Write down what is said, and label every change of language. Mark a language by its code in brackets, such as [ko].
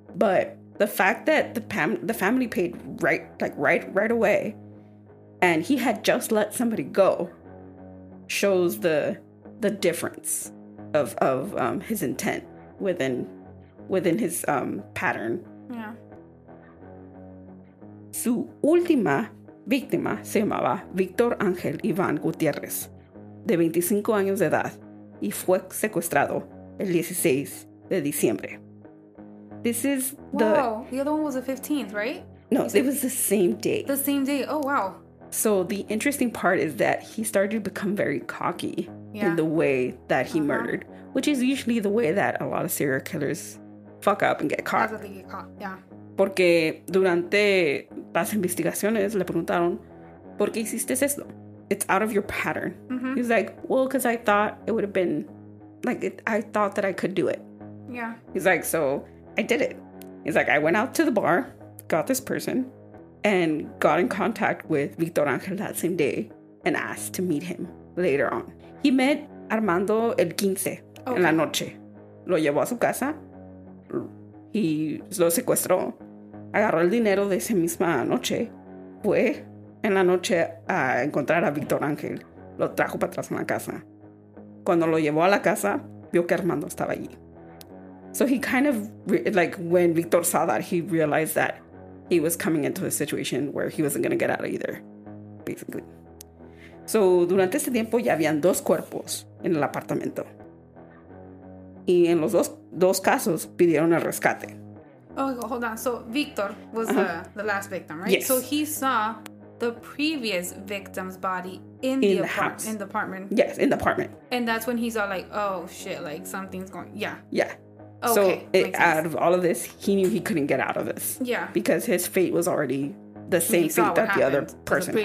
[en] But the fact that the family paid right away and he had just let somebody go shows the difference of his intent within his pattern. Yeah. [es] Su última víctima se llamaba Víctor Ángel Iván Gutiérrez, de 25 años de edad, y fue secuestrado el 16 de diciembre. [en] This is the... Wow, the other one was the 15th, right? No, it was the same day. The same day, oh wow. So the interesting part is that he started to become very cocky in the way that he murdered, which is usually the way that a lot of serial killers fuck up and get caught. That's what they get caught, yeah. [es] Porque durante las investigaciones le preguntaron, ¿por qué hiciste esto? [en] It's out of your pattern. Mm-hmm. He's like, well, because I thought it would have been, like, I thought that I could do it. Yeah. He's like, so I did it. He's like, I went out to the bar, got this person, and got in contact with Victor Angel that same day and asked to meet him later on. He met [es] Armando el 15 en la noche. Lo llevó a su casa. He lo secuestró. Agarró el dinero de esa misma noche. Fue en la noche a encontrar a Víctor Ángel. Lo trajo para atrás en la casa. Cuando lo llevó a la casa, vio que Armando estaba allí. [en] So he kind of, like, when Víctor saw that, he realized that he was coming into a situation where he wasn't going to get out either, basically. [es] So durante ese tiempo ya habían dos cuerpos en el apartamento. Y en los dos casos pidieron el rescate. [en] Oh, hold on. So Víctor was the last victim, right? Yes. So he saw the previous victim's body in the apartment. Yes, in the apartment. And that's when he saw, like, oh shit, like something's going. Yeah. Yeah. Okay. So out of all of this, he knew he couldn't get out of this. Yeah. Because his fate was already the same fate that the other person had.